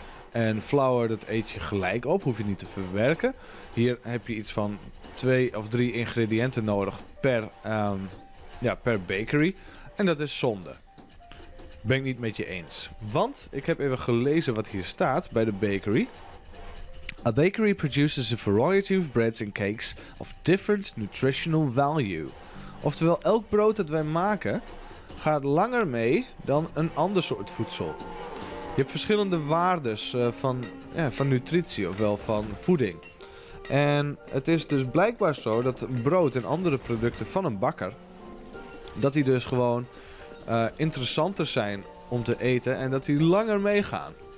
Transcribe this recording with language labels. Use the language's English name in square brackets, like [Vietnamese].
[Dutch] En flour, dat eet je gelijk op, hoef je niet te verwerken. Hier heb je iets van 2 of 3 ingrediënten nodig per bakery. En dat is zonde. Ben ik niet met je eens. Want ik heb even gelezen wat hier staat bij de bakery. [English] A bakery produces a variety of breads and cakes of different nutritional value. [Dutch] Oftewel, elk brood dat wij maken gaat langer mee dan een ander soort voedsel. Je hebt verschillende waardes van nutritie, ofwel van voeding. En het is dus blijkbaar zo dat brood en andere producten van een bakker, dat die dus gewoon interessanter zijn om te eten en dat die langer meegaan.